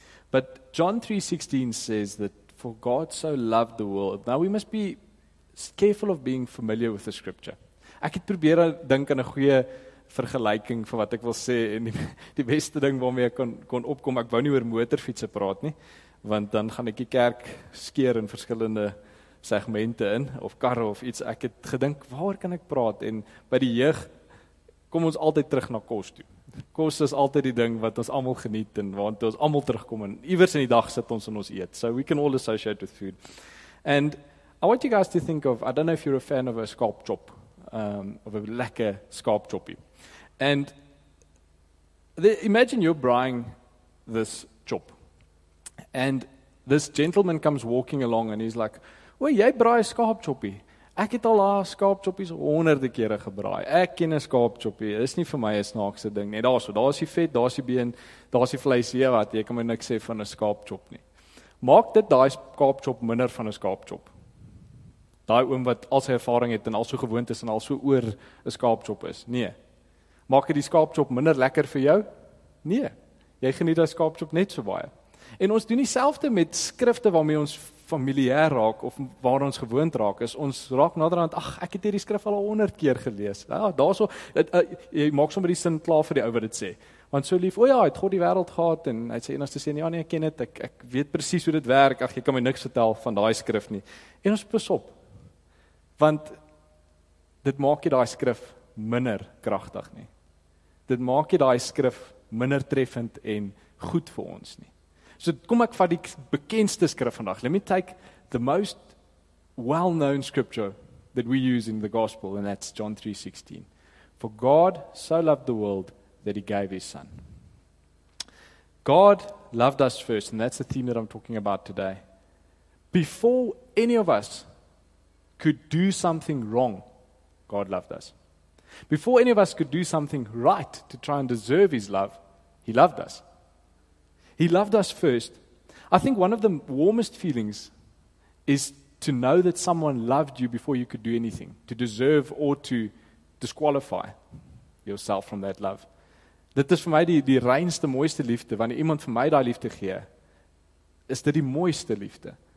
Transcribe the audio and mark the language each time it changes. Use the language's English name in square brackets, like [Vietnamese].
[English] But John 3:16 says that for God so loved the world. Now we must be careful of being familiar with the scripture. [Afrikaans] Ek het probeer dink aan 'n goeie vergelyking vir wat ek wil sê en die beste ding waarmee ek kon opkom, ek wou nie oor motorfietsse praat nie, want dan gaan ek die kerk skeer in verskillende segmente in, of karre of iets. Ek het gedink, waar kan ek praat? En by die jeug kom ons altyd terug na kos toe. Kos is altyd die ding wat ons almal geniet en waarna ons almal terugkom en iewers in die dag sit ons en ons eet. [English] So we can all associate with food. And I want you guys to think of, I don't know if you're a fan of a skaap chop. Of a [Afrikaans] lekker skaap choppie. [English] And imagine you're brying this chop. And this gentleman comes walking along and he's like, [Afrikaans] "Wee, jy braai skaap choppie. Ek het al daai skaap choppies honderde kere gebraai. Ek ken 'n skaap choppie. Dis nie vir my 'n snaakse ding nie. Daarso, daar's die vet, daar's die been, daar's die vleis, hier wat jy kan my niks sê van 'n skaap chop nie. Maak dit daai skaap chop minder van 'n skaap chop. Daai oom wat al sy ervaring het en al so gewoond is en al so oor 'n skaapchop is. Nee. Maak dit die skaapchop minder lekker vir jou? Nee. Jy geniet daai skaapchop net so baie. En ons doen dieselfde met skrifte waarmee ons familier raak of waar ons gewoond raak. Is ons raak naderhand, ag, ek het hierdie skrif al 100 keer gelees. Ja, daarso jy maak sommer die sin klaar vir die ou wat dit sê. Want so lief, o ja, het God die wêreld gehad en hy sê enigste sê, ja nee, ek ken dit. Ek weet presies hoe dit werk. Ag, jy kan my niks vertel van daai skrif nie. En ons pas op. Want dit maak jy daai skrif minder kragtig nie. Dit maak jy daai skrif minder treffend en goed vir ons nie. So kom ek vat die bekendste skrif vandag. [English] Let me take the most well-known scripture that we use in the gospel, and that's John 3:16. For God so loved the world that he gave his son. God loved us first, and that's the theme that I'm talking about today. Before any of us could do something wrong, God loved us. Before any of us could do something right to try and deserve his love, he loved us. He loved us first. I think one of the warmest feelings is to know that someone loved you before you could do anything, to deserve or to disqualify yourself from that love. [Afrikaans] Dit is vir my die reinste, mooiste liefde, wanneer iemand vir my daai liefde gee, is dit die mooiste liefde.